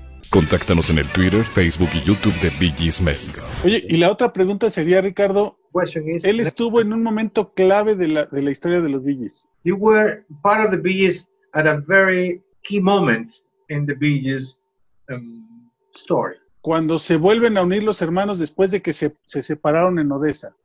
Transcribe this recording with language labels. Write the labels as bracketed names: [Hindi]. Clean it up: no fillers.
[Spanish] Contáctanos en el Twitter, Facebook y YouTube de Bee Gees México. Oye, y la otra pregunta sería, Ricardo, él estuvo en un momento clave de la historia de los Bee Gees. [English] You were part of the Bee Gees at a very key moment in the Bee Gees story. [Spanish] Cuando se vuelven a unir los hermanos después de que se separaron en Odessa.